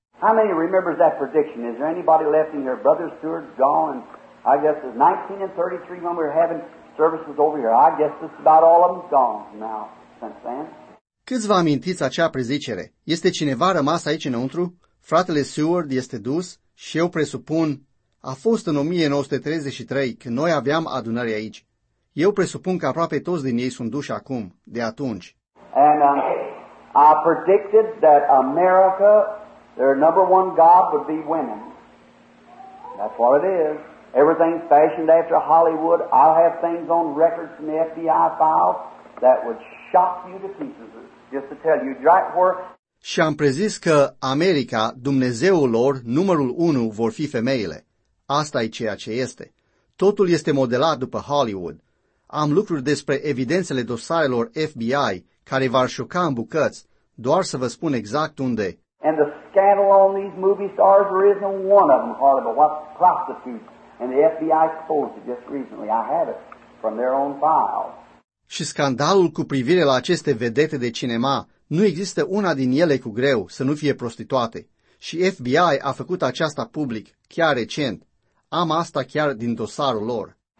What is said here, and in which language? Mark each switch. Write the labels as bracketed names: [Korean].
[English] How many remembers that prediction? Is there anybody left in here? Brother Stewart's gone. I guess it's 1933 when we were having services over here. I guess it's about all of them gone now since then. [Romanian] Câți vă amintiți acea prezicere? Este cineva rămas aici înăuntru? Fratele Seward este dus și eu presupun, a fost în 1933 când noi aveam adunări aici. Eu presupun că aproape toți din ei sunt duși acum, de atunci. [English] And I predicted that America, their number one God would be women. That's what it is. Everything's fashioned after Hollywood. I'll have things on records from the FBI file that would shock you to pieces, just to tell you right where. [Romanian] Și am prezis că America, Dumnezeul lor, numărul unu, vor fi femeile. Asta e ceea ce este. Totul este modelat după Hollywood. Am lucruri despre evidențele dosarelor FBI care v-ar șoca în bucăți, doar să vă spun exact unde. [English] And the scandal on these movie stars, there isn't one of them hardly, but what prostitutes, and the FBI exposed it just recently. I had it from their own file. [Romanian] Și scandalul cu privire la aceste vedete de cinema, nu există una din ele cu greu să nu fie prostituate. Și FBI a făcut aceasta public, chiar recent. Am asta chiar din dosarul lor.